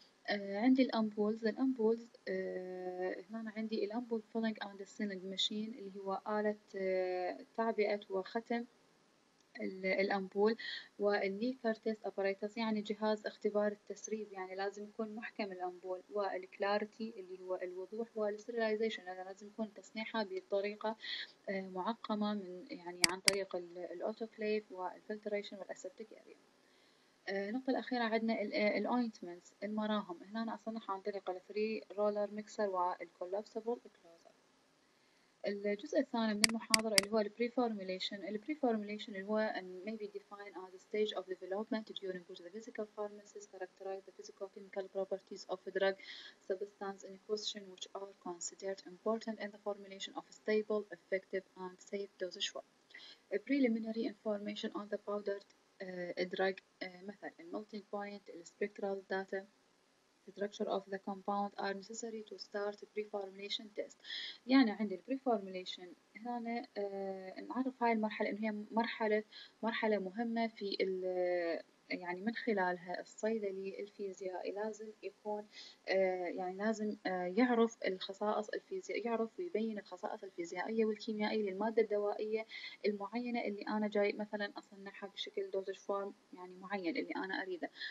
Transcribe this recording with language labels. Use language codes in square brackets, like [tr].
[ar] عندي الأمبولز، الأمبولز هنا عندي الأمبول فيلنج أند سيلنج ماشين اللي هو آلة تعبئة وختم الأمبول، والليكر تيست أبريتس يعني جهاز اختبار التسريب، يعني لازم يكون محكم الأمبول، والكلاريتي اللي هو الوضوح، والسيريلايزيشن يعني لازم يكون تصنيعها بطريقة معقمة من يعني عن طريق الأوتوكليف والفلتريشن والأسبتيك أريا. النقطة الأخيرة عندنا الأوينتمنتس، المراهم، هنا أنا أصنعها عن طريق الفري رولر ميكسر والكولابسبل كلوزر. الجزء الثاني من المحاضرة اللي هو البري فورميليشن. [en] البري فورميليشن [ar] اللي هو [en] maybe define the stage of development during which the physical pharmacist characterize the physical chemical properties of a drug substance in question which are considered important in the formulation of a stable, effective and safe dosage form. Preliminary information on the powdered [ar] الدرج مثلا [en] الملتينج بوينت، السبيكترال data, structure of the compound are necessary to start preformulation test. [ar] يعني عند البري فورميليشن هنا نعرف هاي المرحله انه هي مرحله مهمه في يعني من خلالها الصيدلي الفيزيائي لازم يكون يعني لازم يعرف الخصائص الفيزيائية، يعرف ويبين الخصائص الفيزيائية والكيميائية للمادة الدوائية المعينة اللي أنا جاي مثلا أصنعها بشكل دوزج فورم يعني معين اللي أنا أريده.